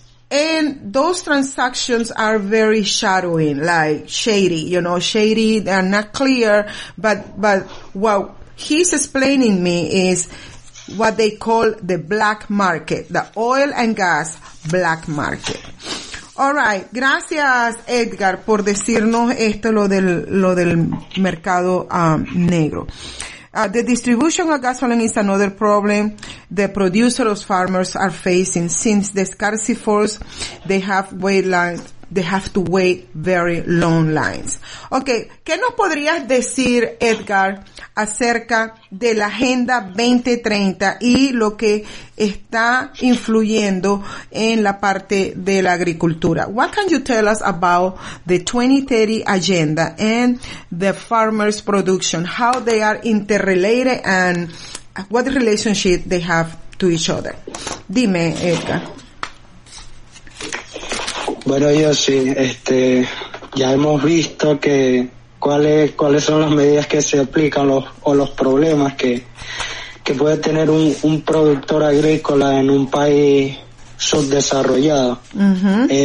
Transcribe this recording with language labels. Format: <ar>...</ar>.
<en>And those transactions are very shadowing, like shady, you know, shady, they're not clear, but what he's explaining me is what they call the black market, the oil and gas black market. All right,</en> <es>gracias Edgar por decirnos esto, lo del mercado negro.</es> <en>The distribution of gasoline is another problem the producers or farmers are facing, since the scarcity force, they have to wait very long lines.</en> <es>Okay, ¿qué nos podrías decir, Edgar, acerca de la Agenda 2030 y lo que está influyendo en la parte de la agricultura?</es> <en>What can you tell us about the 2030 agenda and the farmers' production, how they are interrelated and what relationship they have to each other?</en> <es>Dime, Edgar. Bueno, yo sí, ya hemos visto que cuáles son las medidas que se aplican los problemas que puede tener un productor agrícola en un país subdesarrollado. Uh-huh.</es>